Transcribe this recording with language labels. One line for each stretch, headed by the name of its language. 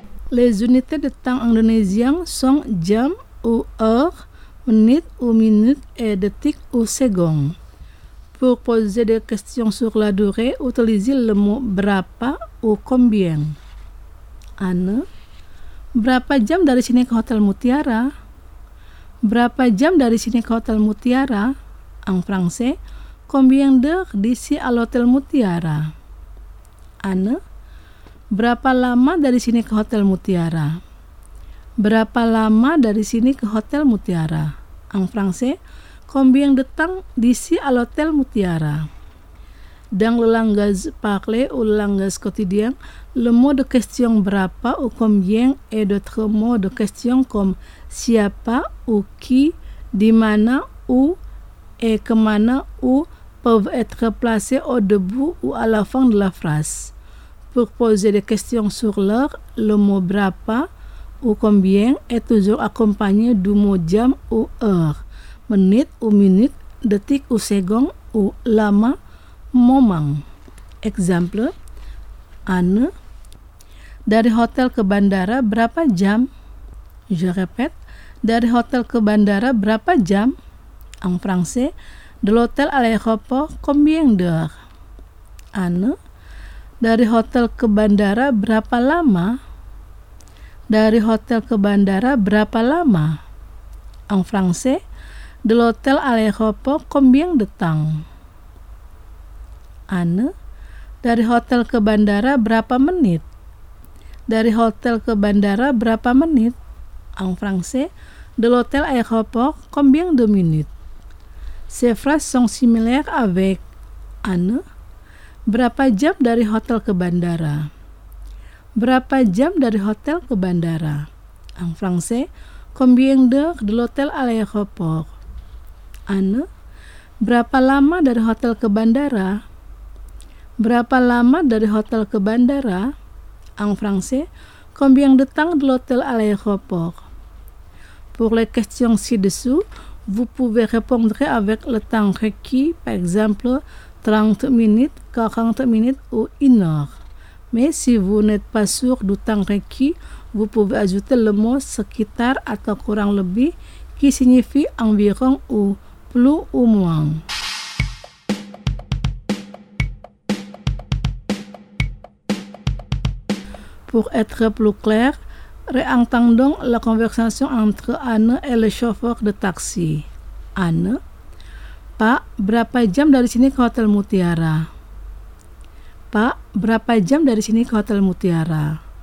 French: Les unités de temps indonésien sont jam ou heure, minute ou minute et de tic ou seconde. Pour poser des questions sur la durée, utilisez le mot berapa ou combien. Anne,
Indonesian: Berapa jam dari sini ke Hotel Mutiara? Berapa jam dari sini ke Hotel Mutiara?
French: En français, combien d'heures d'ici à l'Hôtel Mutiara?
Indonesian: Anne, berapa lama dari sini ke Hotel Mutiara? Berapa lama dari sini ke Hotel Mutiara?
French: En français, combien de temps d'ici à l'Hôtel Mutiara? Dans le langage parlé ou le langage quotidien, le mot de question berapa ou combien et d'autres mots de question comme siapa ou qui, di mana ou et kemana ou peuvent être placés au début ou à la fin de la phrase. Pour poser des questions sur l'heure, le mot berapa ou combien est toujours accompagné du mot jam ou heure, menit ou minute, detik ou second ou lama. Moment.
Indonesian: Exemple, Anne, dari hotel ke bandara berapa jam?
French: Je répète,
Indonesian: dari hotel ke bandara berapa jam?
French: En français, de l'hôtel à l'aéroport, combien d'heures?
Indonesian: Anne, dari hotel ke bandara berapa lama? Dari hotel ke bandara berapa lama?
French: En français, de l'hôtel à l'aéroport, combien de temps?
Indonesian: Anne, dari hotel ke bandara berapa menit? Dari hotel ke bandara berapa menit?
French: En français, de l'hôtel à l'aéroport, combien de minutes? Ces phrases sont similaires avec
Indonesian: Anne, berapa jam dari hotel ke bandara? Berapa jam dari hotel ke bandara?
French: En français, combien d'heures de l'hôtel à l'aéroport?
Indonesian: Anne, berapa lama dari hotel ke bandara? Berapa lama dari hotel ke bandara?
French: En français, combien de temps de l'hôtel à l'aéroport? Pour les questions ci-dessous, vous pouvez répondre avec le temps requis, par exemple 30 minutes, 40 minutes ou une heure. Mais si vous n'êtes pas sûr du temps requis, vous pouvez ajouter le mot « sekitar » atau « kurang lebih » qui signifie « environ » ou « plus ou moins ». Pour être plus clair, réentendons la conversation entre Anne et le chauffeur de taxi.
Indonesian: Anne, Pak, berapa jam dari sini ke Hotel Mutiara? Pak, berapa jam dari sini ke Hotel Mutiara?